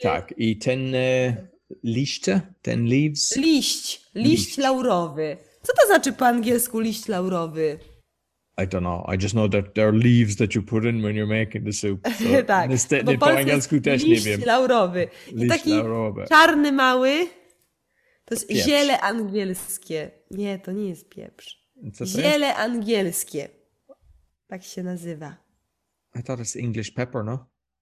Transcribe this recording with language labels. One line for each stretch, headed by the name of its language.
Polish: Tak, i ten liście, ten leaves. Liść laurowy. Co to znaczy po angielsku liść laurowy?
English: I don't know. I just know that there are leaves that you put in when you're making the soup. So
Polish: tak. Niestety po angielsku też liść nie wiem. Laurowy. I liść taki laurowy. Taki czarny mały. To jest pieprz. Ziele angielskie. Nie, to nie jest pieprz. Co to ziele jest? Angielskie. Tak się nazywa.
English: I thought it's English pepper, no?